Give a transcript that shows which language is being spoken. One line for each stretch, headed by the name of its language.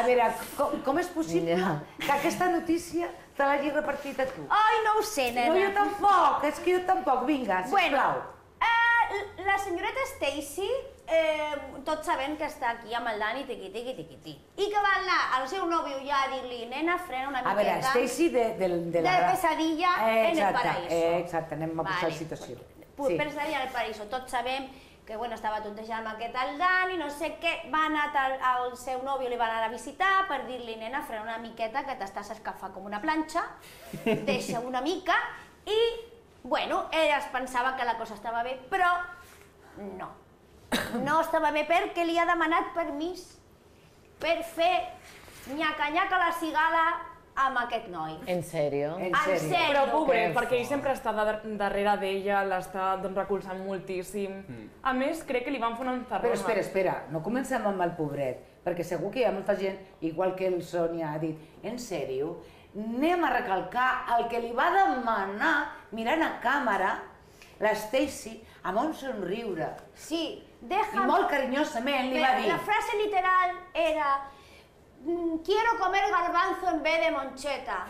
Catalan: A veure, com és possible que aquesta notícia te l'hagi repartit a tu? Ai, no ho sé, nena. No, jo tampoc, és que jo tampoc. Vinga, sisplau. Bueno, la senyoreta Stacy, tots sabem que està aquí amb el Dani, tiqui, tiqui, tiqui, tiqui. I que va anar al seu nòvio ja a dir-li, nena, frena una miqueta. A veure, Stacy de la... De Pesadilla en el Paraíso. Exacte, anem a posar la situació. Sí. Pesadilla en el Paraíso, tots sabem que bueno, estava tontejant amb aquest el Dani, no sé què, va anar al seu nòvio, li va anar a visitar per dir-li, nena, frena una miqueta que t'estàs escafant com una planxa, deixa una mica i... Bueno, ella es pensava que la cosa estava bé, però no. No estava bé perquè li ha demanat permís per fer nyaca-nyaca la cigala amb aquest noi. En sèrio? En sèrio. Però pobre, perquè ell sempre està darrere d'ella, l'està doncs, recolzant moltíssim. A més, crec que li van fer una enterrona. Però espera, espera, no comencem amb el pobret, perquè segur que hi ha molta gent, igual que el Sònia ha dit, en sèrio? Anem a recalcar el que li va demanar, mirant a càmera, l'Stacy, amb un somriure. Sí, deja'm... I molt carinyosament li va dir... La frase literal era...
Spanish: Quiero comer garbanzo en vez de moncheta.